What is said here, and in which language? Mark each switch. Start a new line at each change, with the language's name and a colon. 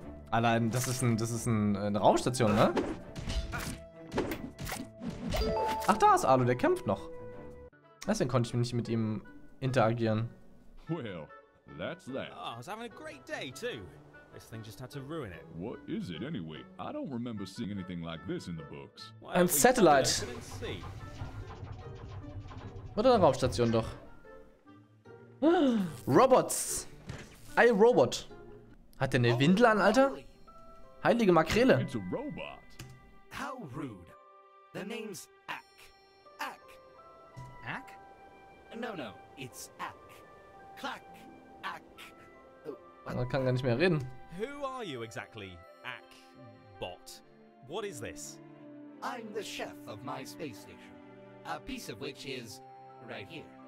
German: Allein, das ist eine Raumstation, ne? Ach, da ist Alu, der kämpft noch. Deswegen konnte ich nicht mit ihm interagieren. Well,
English: That's that. Oh, I was having a great day, too. This thing just had to ruin it. What is it, anyway? I don't remember seeing anything like this in the books.
German: Ein Satellite. Oder eine Raumstation doch. Robots. Ein Robot. Hat der eine Windel an, Alter? Heilige Makrele.
English: It's a robot. How rude. The name's Ack. Ack. Ack? No, no. It's Ack. Clack. Ack.
German: Man kann gar nicht mehr reden.
English: Who are you exactly, Ack Bot? What is this? I'm the chef of my space station. A piece of which is right here.